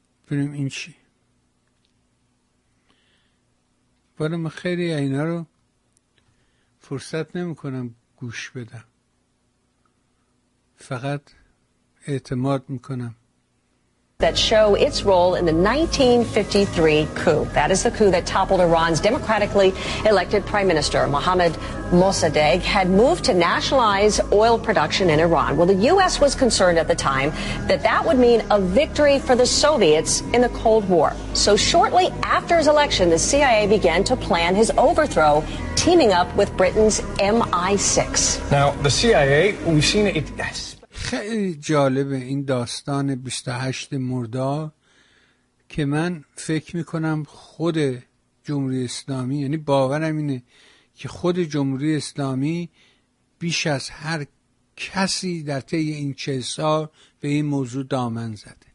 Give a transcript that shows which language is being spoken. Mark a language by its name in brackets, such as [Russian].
[Persian] بریم این چی برای من، خیلی اینا رو فرصت نمیکنم گوش بدم، فقط اعتماد میکنم [English] that show its role in the 1953 coup. That is the coup that toppled Iran's democratically elected prime minister. Mohammad Mossadegh had moved to nationalize oil production in Iran. Well, the U.S. was concerned at the time that that would mean a victory for the Soviets in the Cold War. So shortly after his election, the CIA began to plan his overthrow, teaming up with Britain's MI6. Now, the CIA, we've seen it... Yes. [Persian] خیلی جالبه این داستان 28 مرداد که من فکر میکنم خود جمهوری اسلامی، یعنی باورم اینه که خود جمهوری اسلامی بیش از هر کسی در طی این 40 سال به این موضوع دامن زده.